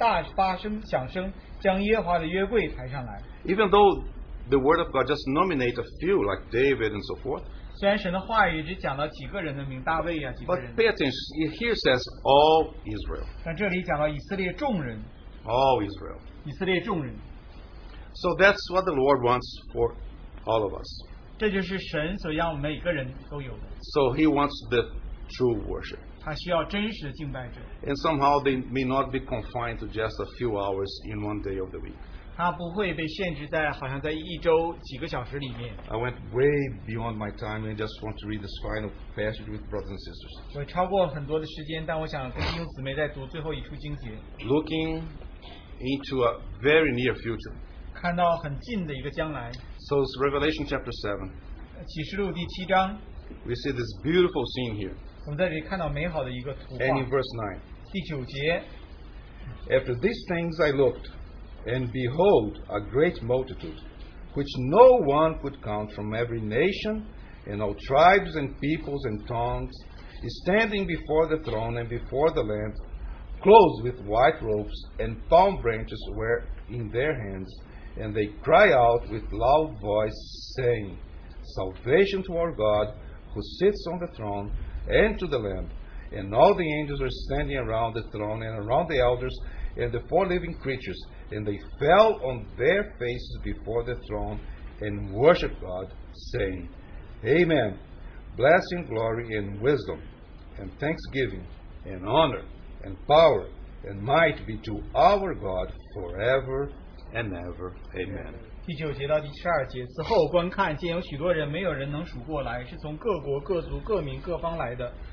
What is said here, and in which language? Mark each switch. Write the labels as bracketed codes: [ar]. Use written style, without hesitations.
[zh] 以色列众人欢呼吹角吹号敲拔鼓瑟弹琴大发声响声将耶和华的约柜抬上来。 [en] Even though the word of God just nominate a few like David and so forth, [zh] 虽然神的话语只讲了几个人的名，大卫啊，几个人。 [en] But pay attention, here says all Israel. [zh] 但这里讲了以色列众人。 [en] All Israel. [zh] 以色列众人. [en] So that's what the Lord wants for all of us. [zh] 这就是神所要每个人都有的. [en] So He wants the true worship. [zh] 他需要真实敬拜者. [en] And somehow they may not be confined to just a few hours in one day of the week. [zh] 他不会被限制在好像在一周几个小时里面. [en] I went way beyond my time and just want to read this final passage with brothers and sisters. [zh] 我超过很多的时间，但我想跟弟兄姊妹再读最后一处经节. [en] Looking into a very near future. [zh] 看到很近的一个将来. [en] So it's Revelation chapter 7. [zh] 启示录第七章. [en] We see this beautiful scene here. [zh] 我们在这里看到美好的一个图画. [en] And in verse 9. [zh] 第九节. [en] After these things I looked, and behold, a great multitude, which no one could count from every nation, and all tribes and peoples and tongues, is standing before the throne and before the Lamb, clothed with white robes, and palm branches were in their hands, and they cry out with loud voice, saying, Salvation to our God, who sits on the throne, and to the Lamb. And all the angels were standing around the throne, and around the elders, and the four living creatures, and they fell on their faces before the throne, and worshiped God, saying, Amen, blessing, glory, and wisdom, and thanksgiving, and honor, and power, and might be to our God forever and ever. Amen. [zh] 第九节到第十二节，此后观看，见有许多人，没有人能数过来，是从各国、各族、各民、各方来的。